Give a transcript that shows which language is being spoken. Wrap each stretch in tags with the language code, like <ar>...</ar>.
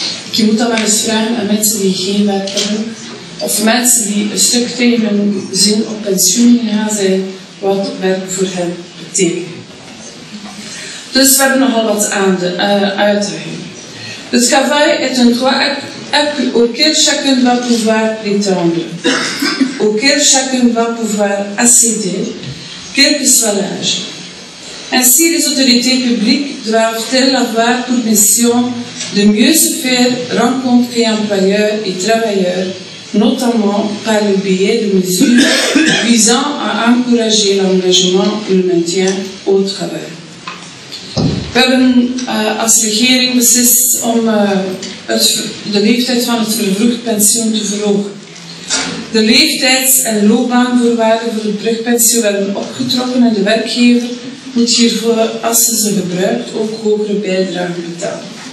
<nl>Je moet dan maar eens vragen aan mensen die geen werk hebben. Of mensen die een stuk tegen hun zin op pensioen gaan zijn, wat werk voor hen betekent. Dus we hebben nogal wat aan de uitdaging.</nl> <fr>Het travail est un droit auquel chacun va pouvoir prétendre, auquel chacun va pouvoir accéder, quel que soit l'âge. Ainsi, les autorités publiques doivent-elles avoir pour mission de mieux se faire rencontrer employeurs et travailleurs, notamment par le biais de mesures visant à encourager l'engagement et le maintien au travail.</fr> <nl>We hebben als regering beslist om de leeftijd van het vervroegd pensioen te verhogen. De leeftijds- en loopbaanvoorwaarden voor het brugpensioen werden opgetrokken en de werkgever moet hiervoor, als ze ze gebruikt, ook hogere bijdragen betalen.</nl>